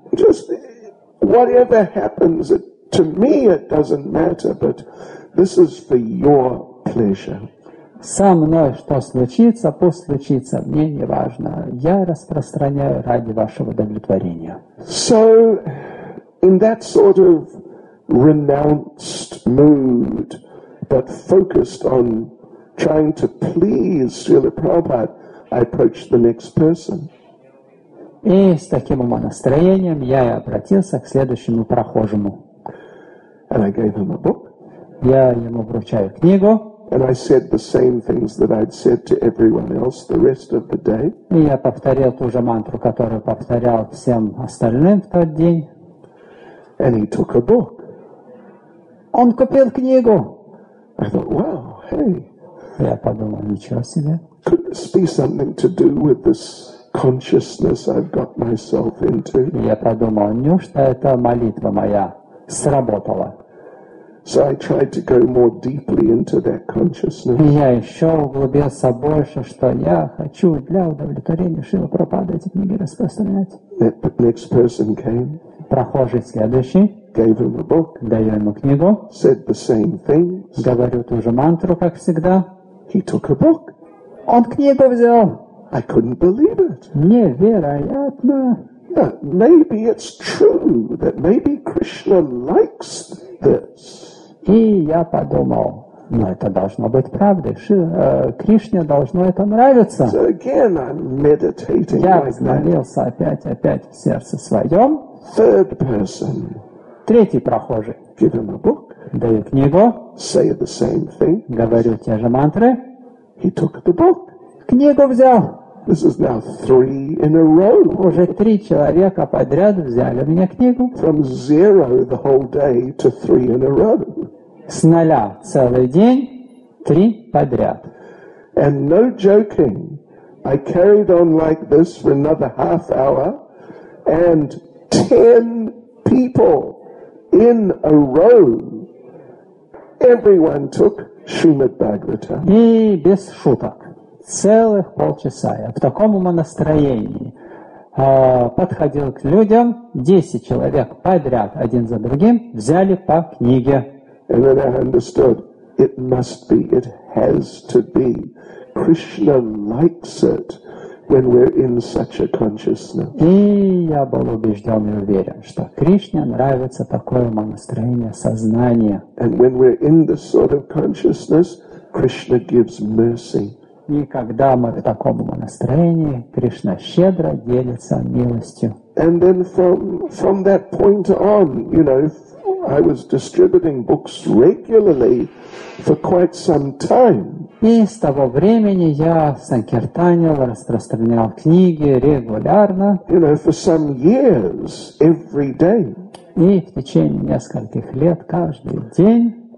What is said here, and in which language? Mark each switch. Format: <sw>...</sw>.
<en>Just whatever happens to me, it doesn't matter, but this is for your pleasure.</en> <ru>Со мной что случится, пусть случится, мне не важно. Я распространяю ради вашего удовлетворения.</ru> <en>So, in that sort of renounced mood, but focused on trying to please Srila Prabhupada, I approached the next person.</en> <ru>И с таким настроением я обратился к следующему прохожему.</ru> <en>And I gave him a book.</en> <ru>Я ему вручаю книгу.</ru> <en>And I said the same things that I'd said to everyone else the rest of the day.</en> <ru>И я повторил ту же мантру, которую повторял всем остальным в тот день.</ru> <en>And he took a book.</en> <ru>Он купил книгу.</ru> <en>I thought, wow, hey.</en> <ru>Я подумал, ничего себе.</ru> <en>Could this be something to do with this consciousness I've got myself into?</en> <ru>Я подумал, неужто эта молитва моя сработала?</ru> <en>So I tried to go more deeply into that consciousness.</en> <ru>Я еще углубился больше, что я хочу для удовлетворения Шрилы Прабхупады эти книги распространять.</ru> <en>Next person came.</en> <ru>Прохожий следующий.</ru> <en>Gave him a book.</en> <ru>Дал ему книгу.</ru> <en>Said the same things.</en> <ru>Говорил ту же мантру, как всегда.</ru> <en>He took a book.</en> <ru>Он книгу взял.</ru> <en>I couldn't believe it.</en> <ru>Невероятно.</ru> <en>But maybe it's true that maybe Krishna likes this.</en> <ru>И я подумал, ну это должно быть правдой. Кришне должно это нравиться.</ru> <en>So again, I'm meditating.</en> <ru>Я взмолился опять в сердце своем.</ru> <en>Third person.</en> <ru>Третий прохожий.</ru> <en>Give him a book.</en> <ru>Даю книгу.</ru> <en>Say the same thing.</en> <ru>Говорю те же мантры.</ru> <en>He took the book.</en> <ru>Книгу взял.</ru> <en>This is now three in a row.</en> <ru>Уже три человека подряд взяли у меня книгу.</ru> <en>From zero the whole day to three in a row.</en> <ru>С нуля целый день, три подряд.</ru> <en>And no joking, I carried on like this for another half hour, and 10 people in a row. Everyone took Shrimad Bhagavatam.</en> <ru>И без шуток. Целых полчаса я в таком умонастроении подходил к людям. 10 человек подряд, один за другим, взяли по книге.</ru> <en>And then I understood, it must be, it has to be. Krishna likes it when we're in such a consciousness.</en> <ru>И я был убежден и уверен, что Кришне нравится такое умонастроение сознания.</ru> <en>And when we're in this sort of consciousness, Krishna gives mercy.</en> <ru>И когда мы в таком умонастроении, Кришна щедро делится милостью.</ru> <en>And then from that point on, you know, I was distributing books regularly for quite some time.</en> <ru>И с того времени я санкиртанил, распространял книги регулярно.</ru> <en>You know, for some years, every day.</en> <ru>И в течение нескольких лет, каждый день.</ru>